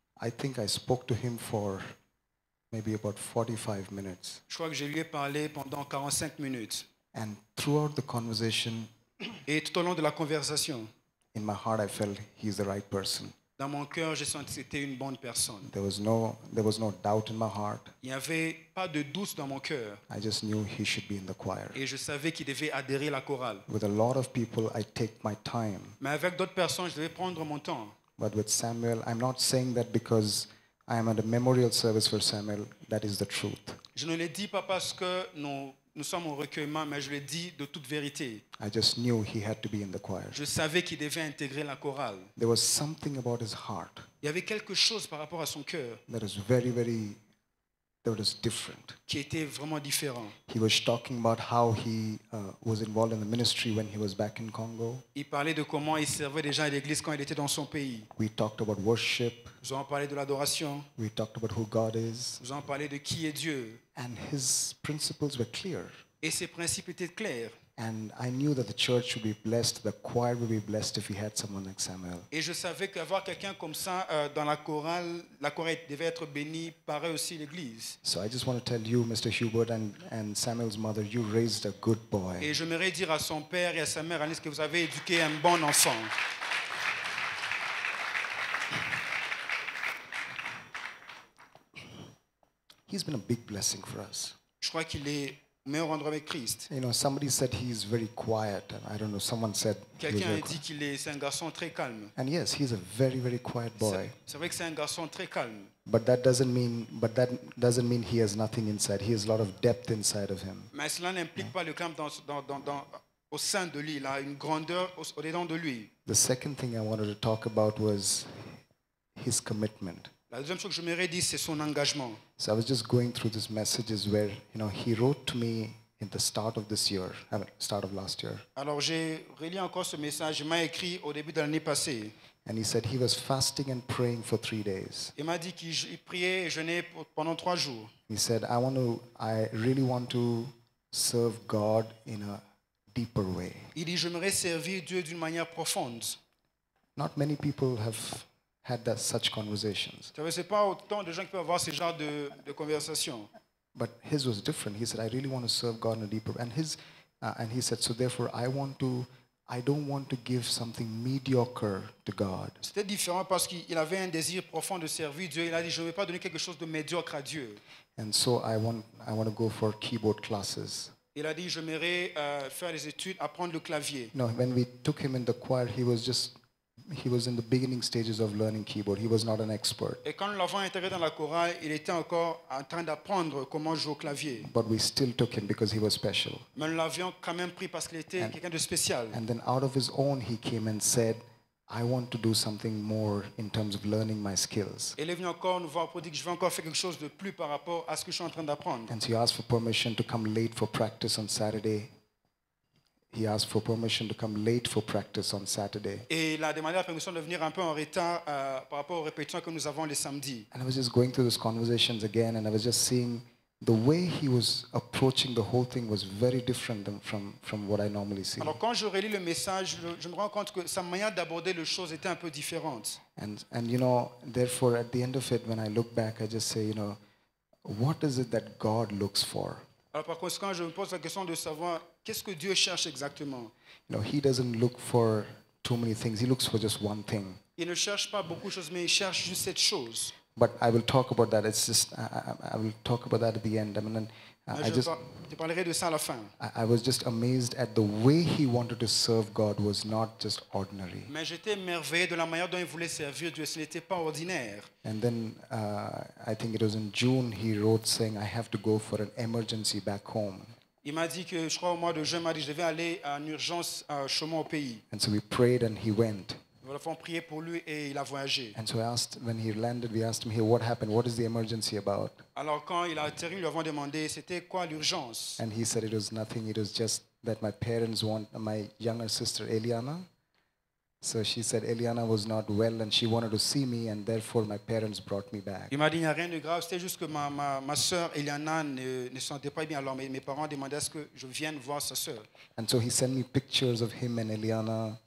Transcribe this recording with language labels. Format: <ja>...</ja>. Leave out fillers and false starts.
<en>I think I spoke to him for maybe about 45 minutes.</en> <fr>Je crois que je lui ai parlé pendant 45 minutes.</fr> <en>And throughout the conversation,</en> <fr>et tout au long de la conversation,</fr> <en>in my heart I felt he's the right person.</en> <fr>Dans mon cœur, j'ai senti que c'était une bonne personne.</fr> <en>There was no doubt in my heart.</en> <fr>Il n'y avait pas de doute dans mon cœur.</fr> <en>I just knew he should be in the choir.</en> <fr>Et je savais qu'il devait adhérer à la chorale.</fr> <en>With a lot of people, I take my time.</en> <fr>Mais avec d'autres personnes, je devais prendre mon temps.</fr> <en>But with Samuel, I'm not saying that because I am at a memorial service for Samuel. That is the truth.</en> <fr>Je ne le dis pas parce que nous sommes au recueillement, mais je le dis de toute vérité.</fr> <en>I just knew he had to be in the choir.</en> <fr>Je savais qu'il devait intégrer la chorale.</fr> <en>There was something about his heart.</en> <fr>Il y avait quelque chose par rapport à son cœur.</fr> <en>That is very, very. That was different.</en> <fr>Qui était vraiment différent.</fr> <en>He was talking about how he was involved in the ministry when he was back in Congo.</en> <fr>Il parlait de comment il servait déjà à l'église quand il était dans son pays.</fr> <en>We talked about worship.</en> <fr>Nous avons parlé de l'adoration.</fr> <en>We talked about who God is.</en> <fr>Nous avons parlé de qui est Dieu.</fr> <en>And his principles were clear.</en> <fr>Et ses principes étaient clairs.</fr> <en>And I knew that the church would be blessed, the choir would be blessed if we had someone like Samuel.</en> <fr>Et je savais qu'avoir quelqu'un comme ça dans la chorale devait être bénie, pareil aussi l'église.</fr> <en>So I just want to tell you, Mr. Hubert and Samuel's mother, you raised a good boy.</en> <fr>Et j'aimerais dire à son père et à sa mère, Alice, que vous avez éduqué un bon enfant.</fr> <en>He's been a big blessing for us.</en> <fr>Je crois qu'il est meilleur endroit avec Christ.</fr> <en>You know, somebody said he is very quiet. I don't know. Someone said.</en> <fr>Quelqu'un a dit qu'il est, c'est un garçon très calme.</fr> <en>And yes, he's a very, very quiet boy.</en> <fr>C'est vrai que c'est un garçon très calme.</fr> <en>But that doesn't mean he has nothing inside. He has a lot of depth inside of him.</en> <fr>Mais cela n'implique pas le calme dans au sein de lui. Il a une grandeur au dedans de lui.</fr> <en>The second thing I wanted to talk about was his commitment.</en> <fr>La deuxième chose que je me redis, c'est son engagement.</fr> <en>So I was just going through these messages where, you know, he wrote to me in the start of this year, start of last year.</en> <fr>Alors j'ai relu encore ce message, il m'a écrit au début de l'année passée.</fr> <en>And he said he was fasting and praying for 3 days.</en> <fr>Il m'a dit qu'il priait et jeûnait pendant 3 jours.</fr> <en>He said, I really want to serve God in a deeper way.</en> <fr>Il dit, j'aimerais servir Dieu d'une manière profonde.</fr> <en>Not many people have had that such conversations.</en> <fr>Tu sais, c'est pas autant de gens qui peuvent avoir ce genre de conversation.</fr> <en>But his was different. He said, "I really want to serve God in a deeper." And his, and he said, "So therefore, I don't want to give something mediocre to God."</en> <fr>C'était différent parce qu'il avait un désir profond de servir Dieu. Il a dit, "Je ne vais pas donner quelque chose de médiocre à Dieu."</fr> <en>And so I want to go for keyboard classes.</en> <fr>Il a dit, "J'aimerais faire des études, apprendre le clavier."</fr> <en>No, when we took him in the choir, he was in the beginning stages of learning keyboard. He was not an expert.</en> <fr>Et quand nous l'avons intégré dans la chorale, il était encore en train d'apprendre comment jouer au clavier.</fr> <en>But we still took him because he was special.</en> <fr>Mais nous l'avions quand même pris parce qu'il était quelqu'un de spécial.</fr> <en>And then out of his own, he came and said, "I want to do something more in terms of learning my skills."</en> <fr>Et il est venu encore nous voir pour dire que je veux encore faire quelque chose de plus par rapport à ce que je suis en train d'apprendre.</fr> <en>And so he asked for permission to come late for practice on Saturday. He asked for permission to come late for practice on Saturday.</en> <fr>Et il a demandé la permission de venir un peu en retard par rapport aux répétitions que nous avons les samedis.</fr> <en>And I was just going through those conversations again, and I was just seeing the way he was approaching the whole thing was very different than from what I normally see.</en> <fr>Alors quand je relis le message, je me rends compte que sa manière d'aborder les choses était un peu différente.</fr> <en>And you know, therefore, at the end of it, when I look back, I just say, you know, what is it that God looks for?</en> <fr>Alors par conséquent, je me pose la question de savoir qu'est-ce que Dieu cherche exactement.</fr> <en>You know, he doesn't look for too many things. He looks for just one thing.</en> <fr>Il ne cherche pas beaucoup de choses, mais il cherche juste cette chose.</fr> <en>But I will talk about that. It's just I will talk about that at the end. I mean,</en> <fr>Je parlerai de ça à la fin.</fr> <en>I was just amazed at the way he wanted to serve God was not just ordinary.</en> <fr>Mais j'étais émerveillé de la manière dont il voulait servir Dieu, ce n'était pas ordinaire.</fr> <en>And then I think it was in June he wrote saying I have to go for an emergency back home.</en> <fr>Il m'a dit que je crois au mois de juin, il m'a dit je devais aller en urgence chez moi au pays.</fr> <en>And so we prayed and he went.</en> <fr>Nous avons prié pour lui et il a voyagé.</fr> <en>And so I asked when he landed, we asked him, hey, what happened? What is the emergency about?</en> <fr>Alors quand il a atterri, nous lui avons demandé c'était quoi l'urgence.</fr> <en>And he said it was nothing. It was just that my parents want my younger sister Eliana. So she said Eliana was not well and she wanted to see me and therefore my parents brought me back.</en> <fr>Il m'a dit il n'y a rien de grave, c'était juste que ma sœur Eliana ne sentait pas bien, alors mes parents demandaient est-ce que je vienne voir sa sœur.</fr> <en>And so he sent me pictures of him and Eliana.</en>